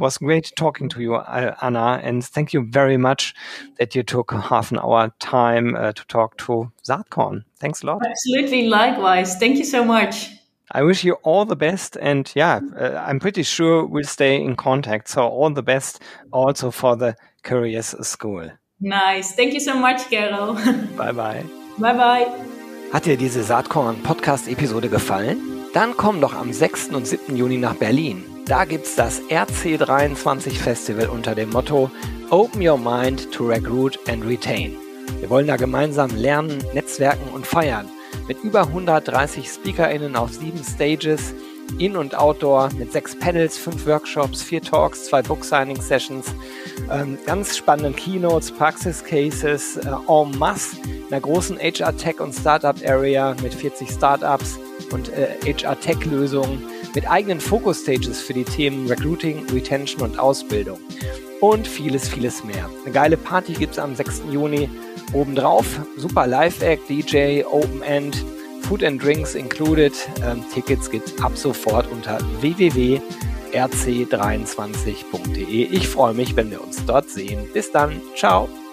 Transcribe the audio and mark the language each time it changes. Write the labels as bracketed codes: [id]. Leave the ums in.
[en] Was great talking to you, Anna. And thank you very much that you took half an hour time uh, to talk to Saatkorn. Thanks a lot. Absolutely. Likewise. Thank you so much. I wish you all the best. And yeah, uh, I'm pretty sure we'll stay in contact. So, all the best also for the Curious School. Nice. Thank you so much, Carol. Bye bye. Bye bye. [de] Hat dir diese Saatkorn-Podcast-Episode gefallen? Dann komm doch am 6. und 7. Juni nach Berlin. Da gibt's das RC23 Festival unter dem Motto [en] Open Your Mind to Recruit and Retain. [de] Wir wollen da gemeinsam lernen, netzwerken und feiern mit über 130 SpeakerInnen auf sieben Stages, In- und Outdoor, mit sechs Panels, fünf Workshops, vier Talks, zwei Book-Signing-Sessions, ähm, ganz spannenden Keynotes, Praxis-Cases, äh, en masse, einer großen HR-Tech- und Startup-Area mit 40 Startups und äh, HR-Tech-Lösungen, mit eigenen Focus-Stages für die Themen Recruiting, Retention und Ausbildung. Und vieles, vieles mehr. Eine geile Party gibt's am 6. Juni obendrauf. Super Live-Act, DJ, Open End, [en] Food and Drinks included. [de] Ähm, Tickets gibt ab sofort unter www.rc23.de. Ich freue mich, wenn wir uns dort sehen. Bis dann. Ciao.